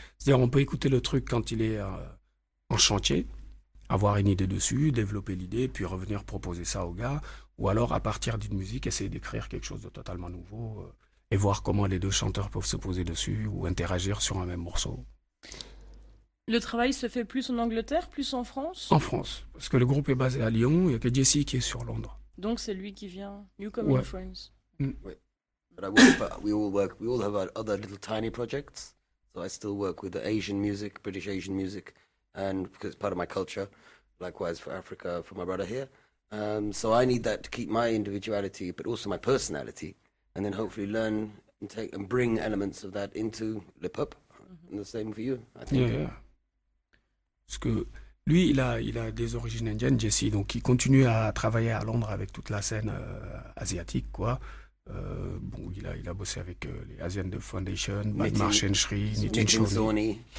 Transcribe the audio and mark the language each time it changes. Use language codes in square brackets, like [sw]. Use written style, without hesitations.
[fr] C'est-à-dire on peut écouter le truc quand il est en chantier, avoir une idée dessus, développer l'idée, puis revenir proposer ça au gars, ou alors à partir d'une musique, essayer d'écrire quelque chose de totalement nouveau et voir comment les deux chanteurs peuvent se poser dessus ou interagir sur un même morceau. Le travail se fait plus en Angleterre, plus en France ? En France, parce que le groupe est basé à Lyon, il n'y a que Jesse qui est sur Londres. Donc c'est lui qui vient, [en] you come in France. [fr] Oui, mais je travaille, [en] we all have other little tiny projects, so I still work with the Asian music, British Asian music, and because it's part of my culture, likewise for Africa, for my brother here. So I need that to keep my individuality, but also my personality, and then hopefully learn and take and bring elements of that into Lip Hop. And the same for you, I think. Yeah. [fr] Parce que lui, il a des origines indiennes, Jesse, donc il continue à travailler à Londres avec toute la scène asiatique, quoi. Bon, il a bossé avec les Asian Dub Foundation, Marsh & Shree, Nitin Shoni.